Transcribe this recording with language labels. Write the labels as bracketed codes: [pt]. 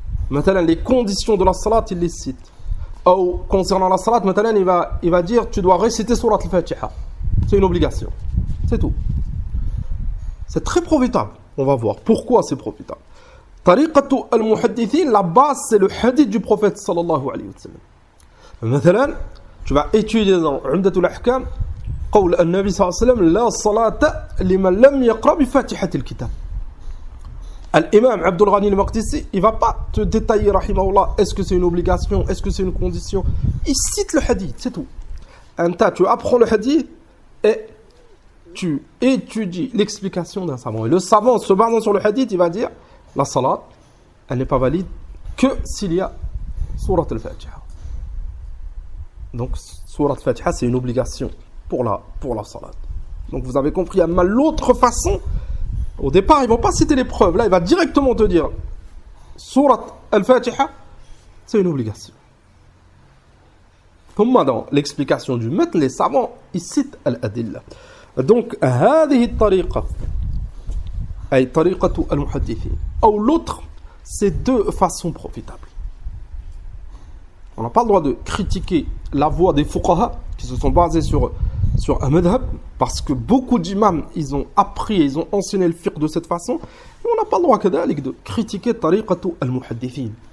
[fr] Matalan, les conditions de la salat, il les cite. Ou concernant la salat, matalan, il va dire tu dois réciter surat al-Fatiha. C'est une obligation. C'est tout. C'est très profitable. On va voir pourquoi c'est profitable. Tariqatu al-Muhadithin, la base, c'est le hadith du prophète sallallahu alayhi wa sallam. Matalan, tu vas étudier dans Umdatul Ahkam. [ar] قول النبي صلى الله عليه وسلم لا صلاة لمن لم يقرأ بفاتحة الكتاب. [fr] الإمام عبد الغني المقدسي il va pas te détailler رحمه الله est-ce que c'est une obligation, est-ce que c'est une condition. Il cite le hadith, c'est tout. Anta, tu apprends le hadith et tu étudies l'explication d'un savant. Et le savant, se basant sur le hadith, il va dire la salat, elle n'est pas valide que s'il y a sourate al-Fatiha. Donc sourate al-Fatiha, c'est une obligation pour la salade. Donc vous avez compris, il y a l'autre façon. Au départ, ils ne vont pas citer les preuves. Là, il va directement te dire surat al-Fatiha, c'est une obligation. Comme dans l'explication du maître, les savants, ils citent al-Adillah. [ar] Donc, هذه الطريقة أي طريقة المحدثين. [fr] Ou l'autre, c'est deux façons profitables. On n'a pas le droit de critiquer la voix des fuqaha qui se sont basés sur un madhab, parce que beaucoup d'imams, ils ont appris, ils ont enseigné le fiqh de cette façon, et on n'a pas le droit de critiquer tariqatu al-muhadithin.